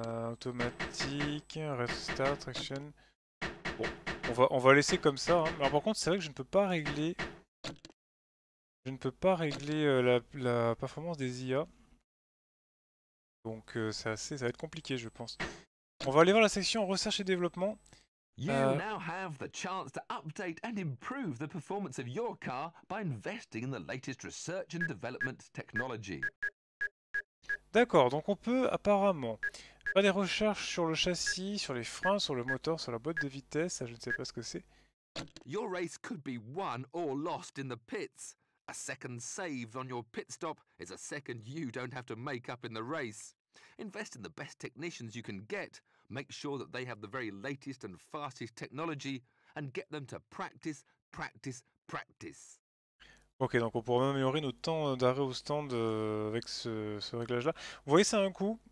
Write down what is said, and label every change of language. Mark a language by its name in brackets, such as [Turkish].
[French] Automatique, restart, traction. Bon, on va laisser comme ça. Hein. Alors par contre, c'est vrai que je ne peux pas régler. Je ne peux pas régler la performance des IA. Donc ça va être compliqué, je pense. On va aller voir la section recherche et développement. [English] You now have the chance to update and improve the performance of your car by investing in the latest research and development technology. [French] D'accord, donc on peut apparemment faire des recherches sur le châssis, sur les freins, sur le moteur, sur la boîte de vitesse, ça je ne sais pas ce que c'est. [English] Your race could be won or lost in the pits. A second saved on your pit stop is a second you don't have to make up in the race. Invest in the best technicians you can get. Make sure that they have the very latest and fastest technology and get them to practice, practice, practice. [French] Ok, donc on pourra même améliorer notre temps d'arrêt au stand avec ce réglage-là. Vous voyez, c'est un coup.